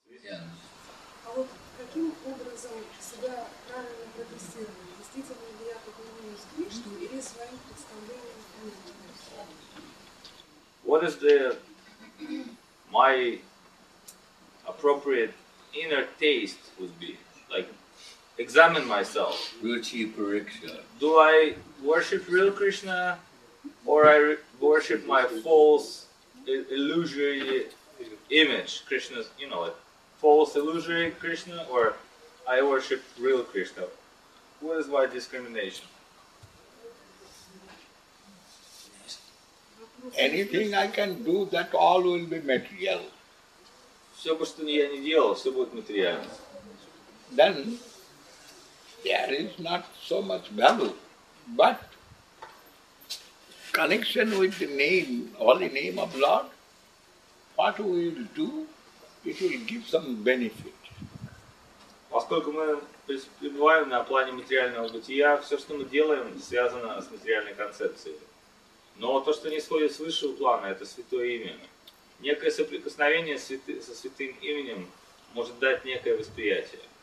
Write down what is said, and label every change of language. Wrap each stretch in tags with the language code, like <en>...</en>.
<ru>А вот каким образом себя правильно прогрессировать? Действительно ли я поклоняюсь Кришне или своим представлением о мире?</ru> <en>What is the my appropriate inner taste would be? Like, examine myself. Ruchi Pariksha. Do I worship real Krishna or I worship my false illusory image, Krishna's, you know, like false illusory Krishna, or I worship real Krishna? What is my discrimination? Anything I can do, that all will be material.</en> <ru>Все, что я не делал, все будет материально.</ru> <en>Then there is not so much value, but connection with the name, holy name of Lord, what we will do, it will give some benefit.</en> <ru>Поскольку мы пребываем на плане материального бытия, все, что мы делаем, связано с материальной концепцией. Но то, что не сходит с высшего плана, это святое имя. Некое соприкосновение со святым именем может дать некое восприятие.</ru>